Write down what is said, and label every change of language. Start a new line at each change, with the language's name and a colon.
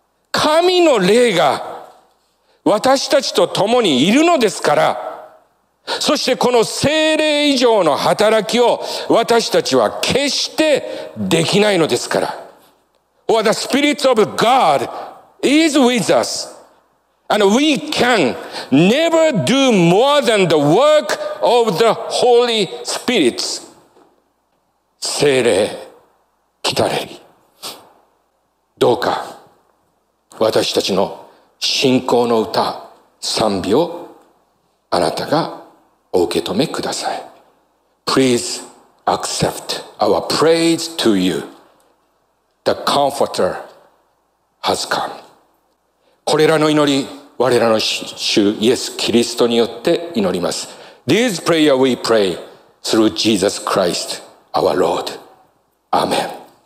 Japanese: 神の霊が私たちと共にいるのですから、そしてこの聖霊以上の働きを私たちは決してできないのですから。
English: For the Spirit of God is with us, and we can never do more than the work of the Holy Spirit.
Japanese: 聖霊来たれり。どうか私たちの信仰の歌、賛美をあなたがお受け止めください。
English: Please accept our praise to you. The Comforter has come.
Japanese: これらの祈り、我らの主イエス・キリストによって祈ります。
English: This prayer we pray through Jesus Christ, our Lord. Amen.